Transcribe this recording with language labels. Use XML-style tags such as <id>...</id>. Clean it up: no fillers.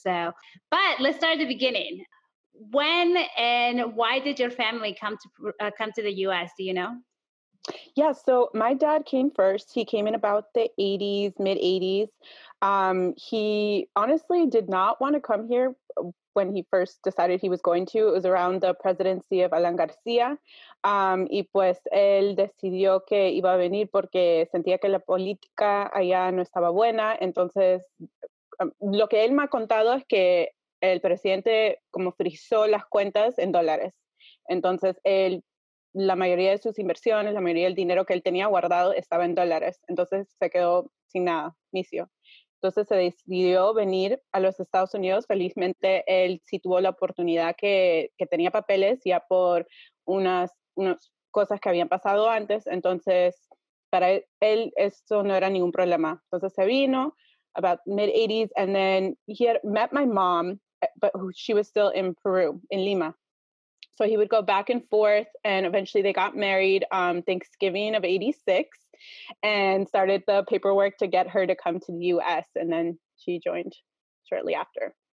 <en>So, but let's start at the beginning. When and why did your family come to the U.S., do you know? Yeah, so my dad came first. He came in about the 80s, mid-80s. He honestly did not want to come here when he first decided he was going to. It was around the presidency of Alan García.</en> <es>Y pues él decidió que iba a venir porque sentía que la política allá no estaba buena. Entonces, lo que él me ha contado es que el presidente como frizó las cuentas en dólares. Entonces, él... la mayoría de sus inversiones, la mayoría del dinero que él tenía guardado estaba en dólares. Entonces se quedó sin nada, inicio. Entonces se decidió venir a los Estados Unidos. Felizmente él sí tuvo la oportunidad que tenía papeles ya por unas cosas que habían pasado antes. Entonces para él esto no era ningún problema. Entonces se vino,</es> <en>about mid-80s, and then he had met my mom, but she was still in Peru, in Lima. So he would go back and forth, and eventually they got married Thanksgiving of 86 and started the paperwork to get her to come to the U.S., and then she joined shortly after.</en>